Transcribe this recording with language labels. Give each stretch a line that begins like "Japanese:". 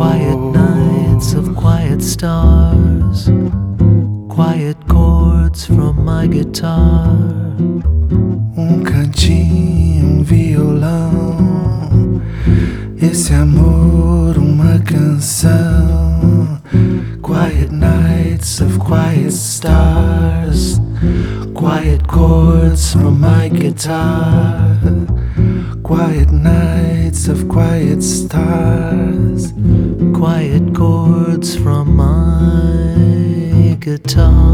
English: Quiet nights of quiet stars, quiet chords from my guitar.
Portuguese: Um cantinho, um violão, esse amor, uma canção.
English: Quiet nights of quiet stars, quiet chords from my guitar. Quiet nights of quiet stars, quiet chords from my guitar.